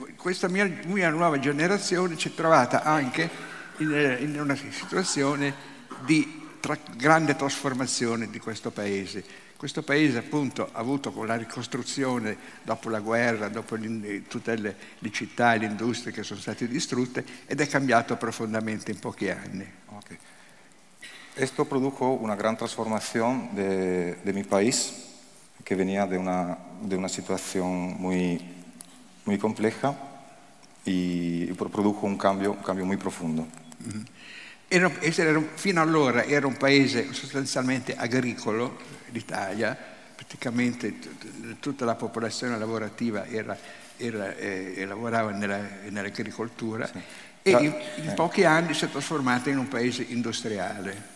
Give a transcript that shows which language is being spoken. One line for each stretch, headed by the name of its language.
Spanish: Esta
Italian: mia
Spanish: nueva generación se ha
Italian: trovata anche in una situazione di grande trasformazione di questo paese. Questo paese appunto ha avuto con la ricostruzione dopo la guerra, dopo tutte le città e le industrie che sono state distrutte ed è cambiato profondamente in pochi anni. Okay.
Spanish: Esto produjo una gran transformación de mi país que venía de una situación muy muy compleja y produjo un cambio muy profundo.
Italian: Fino allora era un paese sostanzialmente agricolo, l'Italia, praticamente tutta la popolazione lavorativa lavorava nell'agricoltura, sì. E in pochi anni si è trasformata in un paese industriale.